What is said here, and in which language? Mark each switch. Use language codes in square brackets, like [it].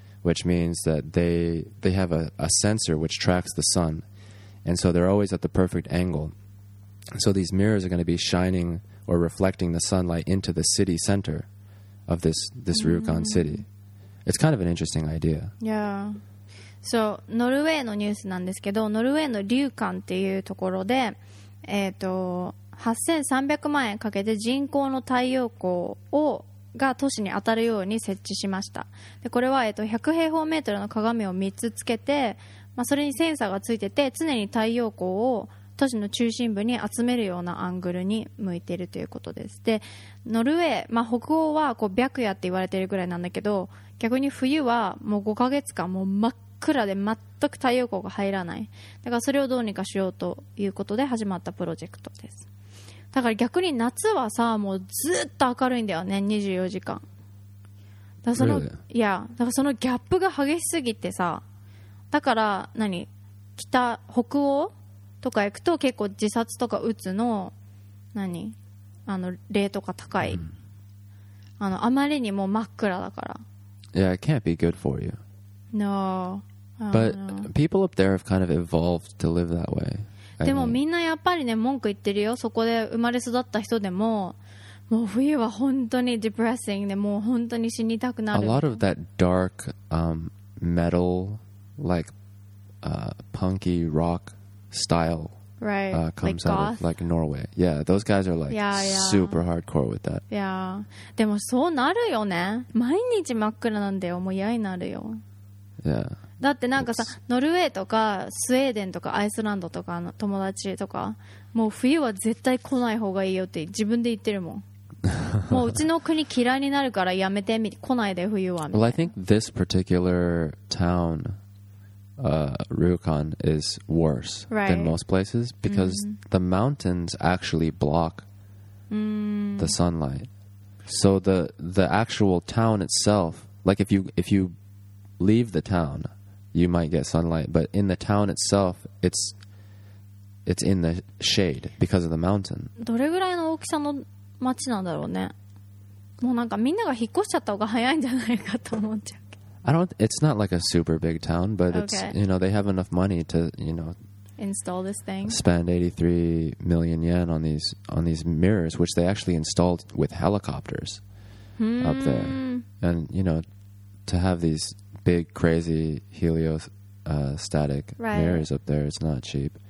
[en] which means that they have a sensor which tracks the sun. And so they're always at the perfect angle. So these mirrors are going to be shining or reflecting the sunlight into the city center of this Ryukan city. It's kind of an interesting idea. Yeah. [ja] So, ノルウェーのニュースなんですけど、ノルウェーのリューカンっていうところで、8300万円かけて人工の太陽光をが都市に当たるように設置しました。でこれは、100平方メートルの鏡を3つつけて、まあ、それにセンサーがついてて常に太陽光を都市の中心部に集めるようなアングルに向いているということです。でノルウェー、まあ、北欧はこう白夜って言われているぐらいなんだけど、逆に冬はもう5ヶ月間もう真っ暗で全く太陽光が入らない。だからそれをどうにかしようということで始まったプロジェクトです。だから逆に夏はさ、もうずっと明るいんだよね、24時間。だからその、 [en] really? [ja] いや、だからそのギャップが激しすぎてさ、だから何、北、北欧とか行くと結構自殺とか鬱の、何、あの、例とか高い。 Mm. あの、あまりにも真っ暗だから。 [en] Yeah, it can't be good for you. No. But people up there have kind of evolved to live that way. [ja] でもみんなやっぱりね文句言ってるよ。そこで生まれ育った人でももう冬は本当に depressing で、もう本当に死にたくなる。 [en] A lot of that dark metal like punky rock style right, comes like out goth. Of like Norway. Yeah, those guys are like yeah, yeah. super hardcore with that. [ja] Yeah. でもそうなるよね。毎日真っ暗なんだよ。もう嫌になるよ。 [en] Yeah. [ja] だってなんかさ、ノルウェーとかスウェーデンとかアイスランドとかの友達とか、もう冬は絶対来ない方がいいよって自分で言ってるもん。もううちの国嫌いになるからやめて、来ないで冬は。 [en] Well, I think this particular town, Ryukan, is worse、 right. than most places because、mm-hmm. the mountains actually block、 mm-hmm. the sunlight. So the actual town itself, like if you leave the town,You might get sunlight, but in the town itself, it's in the shade because of the mountain. [ja] どれぐらいの大きさの街なんだろうね。もうなんかみんなが引っ越しちゃった方が早いんじゃないかと思っちゃう。 [en] It's not like a super big town, but it's, okay. you know, they have enough money to, you know, install this thing. Spend 83 million yen on these mirrors, which they actually installed with helicopters up there. And, you know, to have these... big crazy heliostatic mirrors up there, it's not cheap.